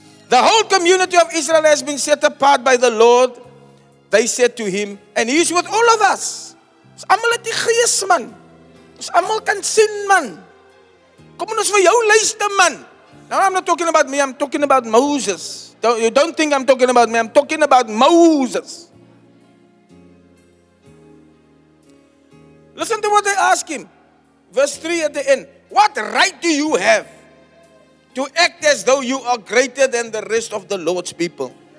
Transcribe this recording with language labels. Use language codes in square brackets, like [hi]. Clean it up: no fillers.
[en] The whole community of Israel has been set apart by the Lord. They said to him, and he is with all of us. [af] Ons allemaal het die gees, man. Ons allemaal kan sien, man. Kom ons vir jou luister, man. [en] Now I'm not talking about me, I'm talking about Moses. You don't think I'm talking about me, I'm talking about Moses. Listen to what they ask him. Verse 3 at the end. What right do you have to act as though you are greater than the rest of the Lord's people?